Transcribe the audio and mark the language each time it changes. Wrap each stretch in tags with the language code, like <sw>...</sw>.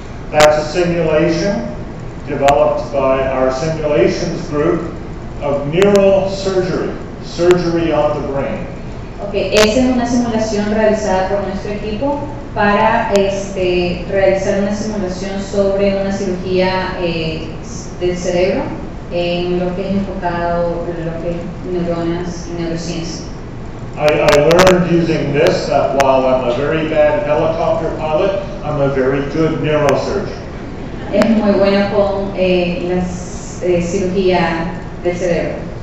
<en>That's a simulation developed by our simulations group of neural surgery, surgery on the brain.</en> <es>Okay, esa es una simulación realizada por nuestro equipo para realizar una simulación sobre una cirugía del cerebro en lo que es enfocado en lo que es neuronas y neurociencia.</es> <en>I learned using this that while I'm a very bad helicopter pilot, I'm a very good neurosurgeon.</en> <es>Es muy bueno con la cirugía del cerebro.</es>